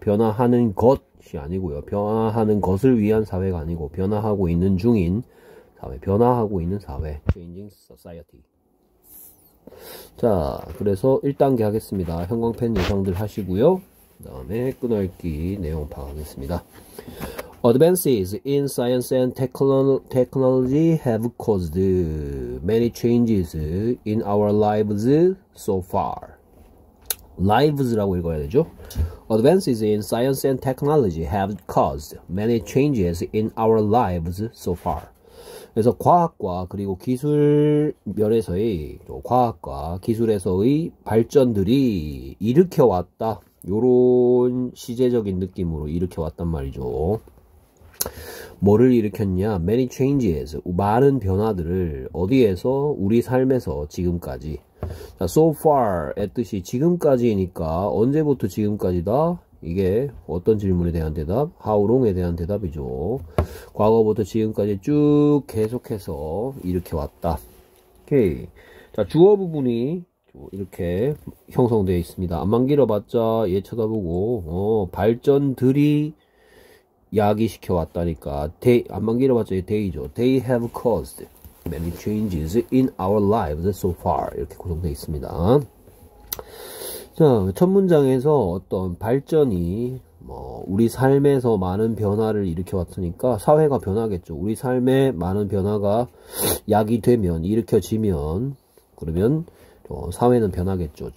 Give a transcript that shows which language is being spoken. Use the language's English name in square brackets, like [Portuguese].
[Korean] 변화하는 것이 아니고요. 변화하는 것을 위한 사회가 아니고 변화하고 있는 중인 사회. 변화하고 있는 사회. [English] changing society. [Korean] 자, 그래서 1단계 하겠습니다. 형광펜 예상들 하시고요. 그 다음에 끊어읽기 내용 파악하겠습니다. [English] Advances in science and technology have caused many changes in our lives so far. [Korean] Lives라고 읽어야 되죠. [English] Advances in science and technology have caused many changes in our lives so far. [Korean] 그래서 과학과 그리고 기술 면에서의 과학과 기술에서의 발전들이 일으켜 왔다. 요런 시제적인 느낌으로 일으켜 왔단 말이죠. 뭐를 일으켰냐? [English] Many changes. [Korean] 많은 변화들을 어디에서 우리 삶에서 지금까지. 자, so far의 뜻이 지금까지니까 언제부터 지금까지다? 이게 어떤 질문에 대한 대답? [English] How long [Korean] 에 대한 대답이죠. 과거부터 지금까지 쭉 계속해서 이렇게 왔다. 오케이. 자, 주어 부분이 이렇게 형성되어 있습니다. 앞만 길어봤자 얘 쳐다보고 발전들이 야기시켜 왔다니까. 앞만 길어봤자 얘 데이죠. [English] They have caused many changes in our lives so far. [Korean] 이렇게 구성되어 있습니다. 자, 첫 문장에서 어떤 발전이 뭐 우리 삶에서 많은 변화를 일으켜 왔으니까 사회가 변하겠죠. 우리 삶에 많은 변화가 야기되면, 일으켜지면 그러면 사회는 변하겠죠.